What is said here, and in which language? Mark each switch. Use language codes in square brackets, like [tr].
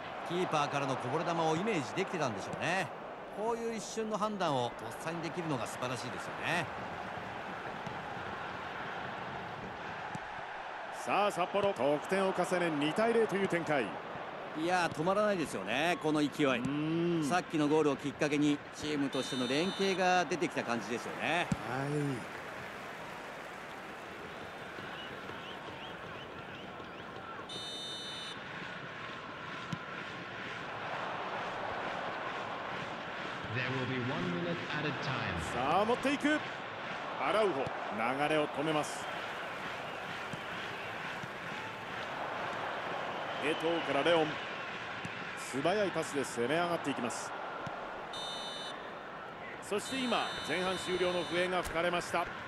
[ja] キーパーからのこぼれ球をイメージできてたんでしょうね。こういう一瞬の判断をとっさにできるのが素晴らしいですよね。さあ札幌、得点を重ね2対0という展開。いや、止まらないですよね、この勢い。さっきのゴールをきっかけにチームとしての連携が出てきた感じですよね。 [en] はい、There will be one minute added time. [ja] さあ持っていく、アラウホ、流れを止めます。エトーからレオン、素早いパスで攻め上がっていきます。そして今前半終了の笛が吹かれました。